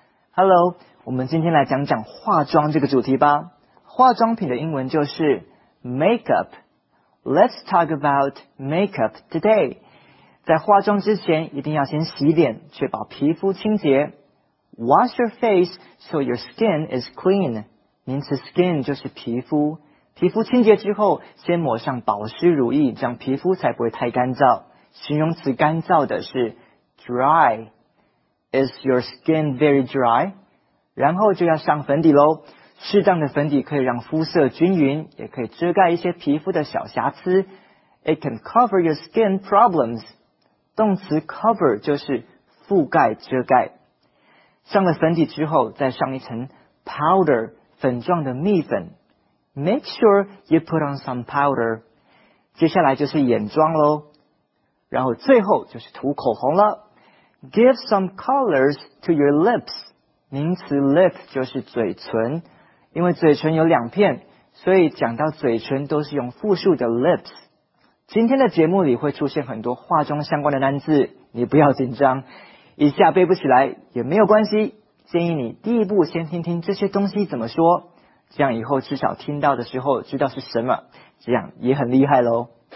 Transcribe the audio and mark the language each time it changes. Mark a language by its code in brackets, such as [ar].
[zh] Hello, 我们今天来讲讲化妆这个主题吧。化妆品的英文就是 makeup。 [en] Let's talk about makeup today. [zh] 在化妆之前一定要先洗脸，确保皮肤清洁。 [en] Wash your face so your skin is clean. [zh] 名词 skin 就是皮肤。皮肤清洁之后先抹上保湿乳液，这样皮肤才不会太干燥。形容词干燥的是 dry. [en] Is your skin very dry? [zh] 然后就要上粉底咯。适当的粉底可以让肤色均匀，也可以遮盖一些皮肤的小瑕疵。 [en] It can cover your skin problems. [zh] 动词 cover 就是覆盖、遮盖。上了粉底之后，再上一层 powder 粉状的蜜粉。 [en] Make sure you put on some powder. [zh] 接下来就是眼妆咯。然后最后就是涂口红了。 [en] Give some colors to your lips. [zh] 名词 lip 就是嘴唇。因为嘴唇有两片，所以讲到嘴唇都是用复数的 lips。今天的节目里会出现很多化妆相关的单字，你不要紧张，一下背不起来也没有关系。建议你第一步先听听这些东西怎么说，这样以后至少听到的时候知道是什么，这样也很厉害咯。